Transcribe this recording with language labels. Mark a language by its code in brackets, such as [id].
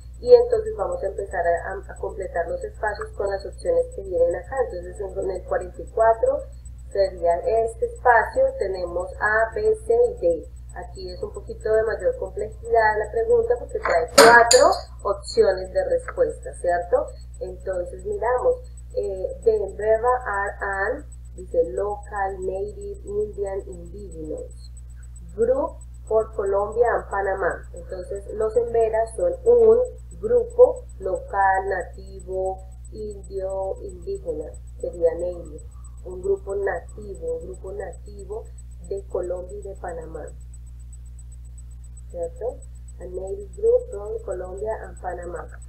[es] Y entonces vamos a empezar a completar los espacios con las opciones que vienen acá. Entonces, en el 44 sería este espacio. Tenemos A, B, C y D. Aquí es un poquito de mayor complejidad la pregunta porque trae cuatro opciones de respuesta, ¿cierto? Entonces, miramos. [en] The Emberva are an, [es] dice, [en] local, native, Indian, indigenous group for Colombia and Panama. [es] Entonces, los Emberas son un grupo local, nativo, indio, indígena, sería native. Un grupo nativo de Colombia y de Panamá. ¿Cierto? [en] A Native Group from Colombia and Panama.